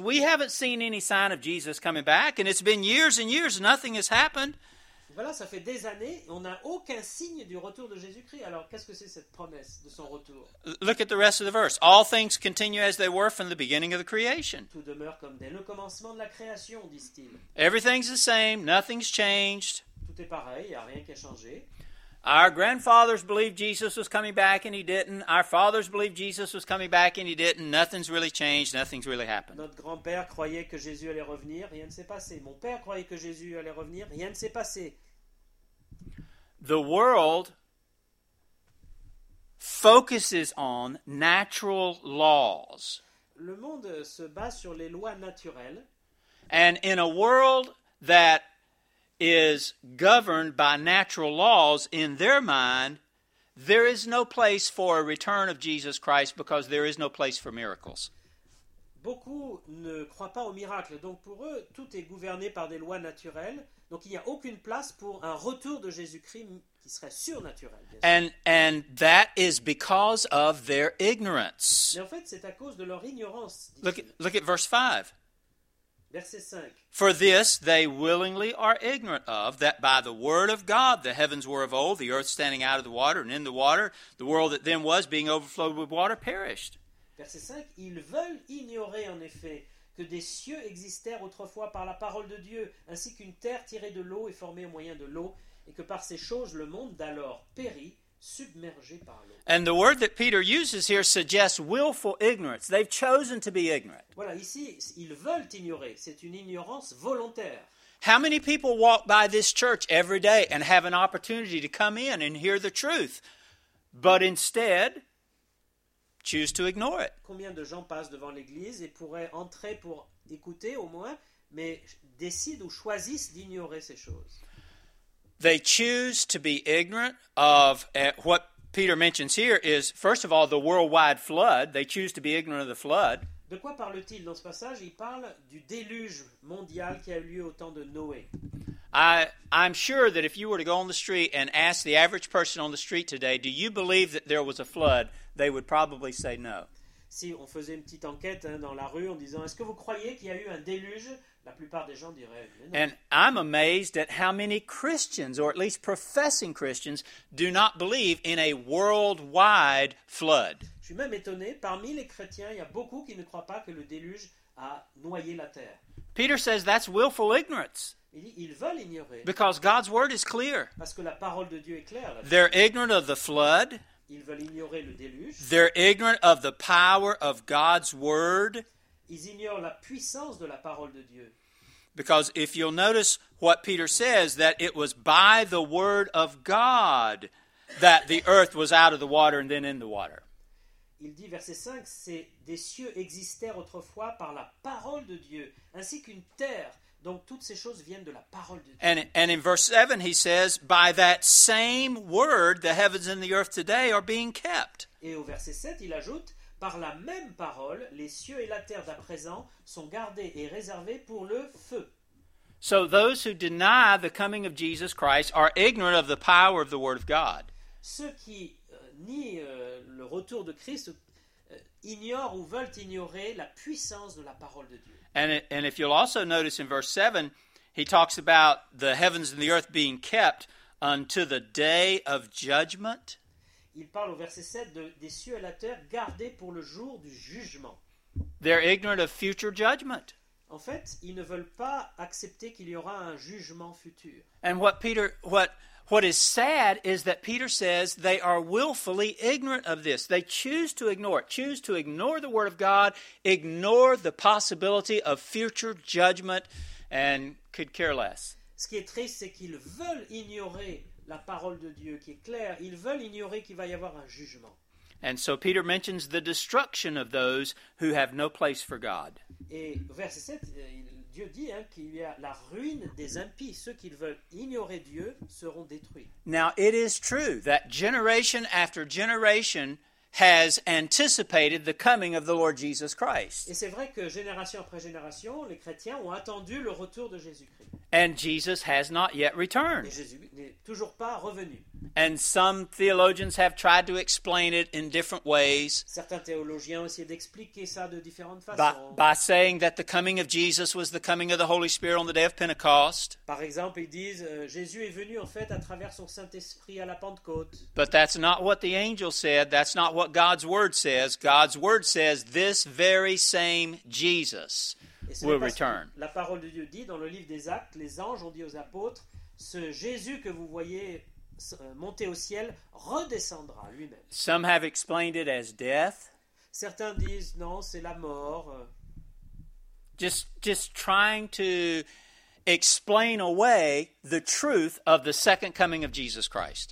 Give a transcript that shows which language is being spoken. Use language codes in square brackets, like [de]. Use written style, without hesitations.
[en] We haven't seen any sign of Jesus coming back, and it's been years and years, nothing has happened. [fr] Voilà, ça fait des années, on n'a aucun signe du retour de Jésus-Christ. Alors, qu'est-ce que c'est cette promesse de son retour? [en] Look at the rest of the verse. All things continue as they were from the beginning of the creation. [fr] Tout demeure comme dès le commencement de la création, disent-ils. [en] Everything's the same, nothing's changed. [fr] Tout est pareil, il n'y a rien qui a changé. [en] Our grandfathers believed Jesus was coming back and he didn't. Our fathers believed Jesus was coming back and he didn't. Nothing's really changed, nothing's really happened. [fr] Notre grand-père croyait que Jésus allait revenir, rien ne s'est passé. Mon père croyait que Jésus allait revenir, rien ne s'est passé. [en] The world focuses on natural laws. [fr] Le monde se base sur les lois naturelles. [en] And in a world that is governed by natural laws, in their mind, there is no place for a return of Jesus Christ because there is no place for miracles. [fr] Beaucoup ne croient pas aux miracles, donc pour eux, tout est gouverné par des lois naturelles, donc il n'y a aucune place pour un retour de Jésus-Christ qui serait surnaturel. [en] And that is because of their ignorance. [fr] Mais en fait, c'est à cause de leur ignorance. [en] Look at verse 5. [fr] Verset 5. [en] For this they willingly are ignorant of, that by the word of God the heavens were of old, the earth standing out of the water and in the water, the world that then was being overflowed with water perished. [fr] Verset 5. Ils veulent ignorer en effet que des cieux existèrent autrefois par la parole de Dieu, ainsi qu'une terre tirée de l'eau et formée au moyen de l'eau, et que par ces choses le monde d'alors périt, submergé par l'eau. [en] And the word that Peter uses here suggests willful ignorance. They've chosen to be ignorant. [fr] Voilà, ici, ils veulent ignorer. C'est une ignorance volontaire. [en] How many people walk by this church every day and have an opportunity to come in and hear the truth, but instead choose to ignore it? [fr] Combien de gens passent devant l'église et pourraient entrer pour écouter au moins, mais décident ou choisissent d'ignorer ces choses? [en] They choose to be ignorant of what Peter mentions here is, first of all, the worldwide flood. They choose to be ignorant of the flood. [fr] De quoi parle-t-il dans ce passage? Il parle du déluge mondial qui a eu lieu au temps de Noé. [en] I'm sure that if you were to go on the street and ask the average person on the street today, do you believe that there was a flood, they would probably say no. [fr] Si on faisait une petite enquête dans la rue en disant, est-ce que vous croyez qu'il y a eu un déluge? La plupart des gens diraient, mais non. [en] And I'm amazed at how many Christians, or at least professing Christians, do not believe in a worldwide flood. [fr] Je suis même étonné, parmi les chrétiens, il y a beaucoup qui ne croient pas que le déluge a noyé la terre. [en] Peter says that's willful ignorance. [fr] Il dit, ils veulent ignorer. [en] Because God's word is clear. [fr] Parce que la parole de Dieu est claire. [en] They're ignorant of the flood. [fr] Ils veulent ignorer le déluge. [en] They're ignorant of the power of God's word. [fr] Ils ignorent la puissance de la parole de Dieu. [en] Because if you'll notice what Peter says, that it was by the word of God that the earth was out of the water and then in the water. [fr] Il dit, verset 5, c'est des cieux existèrent autrefois par la parole de Dieu, ainsi qu'une terre. Donc toutes ces choses viennent de la parole de Dieu. [en] And in verse 7, he says, by that same word, the heavens and the earth today are being kept. [fr] Et au verset 7, il ajoute, par la même parole, les cieux et la terre d'à présent sont gardés et réservés pour le feu. [en] So those who deny the coming of Jesus Christ are ignorant of the power of the word of God. [fr] Ceux qui nient le retour de Christ ignorent ou veulent ignorer la puissance de la parole de Dieu. [en] And if you'll also notice in verse 7, he talks about the heavens and the earth being kept unto the day of judgment. [fr] Il parle au verset 7 des cieux et la terre gardés pour le jour du jugement. [en] They're ignorant of future judgment. [fr] En fait, ils ne veulent pas accepter qu'il y aura un jugement futur. [en] And what is sad is that Peter says they are willfully ignorant of this. They choose to ignore it, choose to ignore the word of God, ignore the possibility of future judgment, and could care less. [fr] Ce qui est triste, c'est qu'ils veulent ignorer la parole de Dieu qui est claire. Ils veulent ignorer qu'il va y avoir un jugement. [en] And so Peter mentions the destruction of those who have no place for God. [fr] Et verset 7, Dieu dit hein, qu'il y a la ruine des impies. Ceux qui veulent ignorer Dieu seront détruits. [en] Now, it is true that generation after generation has anticipated the coming of the Lord Jesus Christ. [fr] Et c'est vrai que génération après génération, les chrétiens ont attendu le retour de Jésus-Christ. [en] And Jesus has not yet returned. [fr] Et Jésus n'est toujours pas revenu. [en] And some theologians have tried to explain it in different ways. [fr] Certains théologiens ont essayé d'expliquer ça de différentes façons. [en] By saying that the coming of Jesus was the coming of the Holy Spirit on the day of Pentecost. [fr] Par exemple, ils disent Jésus est venu en fait à travers son Saint-Esprit à la Pentecôte. [en] But that's not what the angel said. That's not what God's word says. God's word says this very same Jesus will return. [fr] La parole de Dieu dit dans le livre des Actes, les anges ont dit aux apôtres, ce Jésus que vous voyez monté au ciel redescendra lui-même. [en] Some have explained it as death. [fr] Certains disent non, c'est la mort. [en] Just trying to explain away the truth of the second coming of Jesus Christ.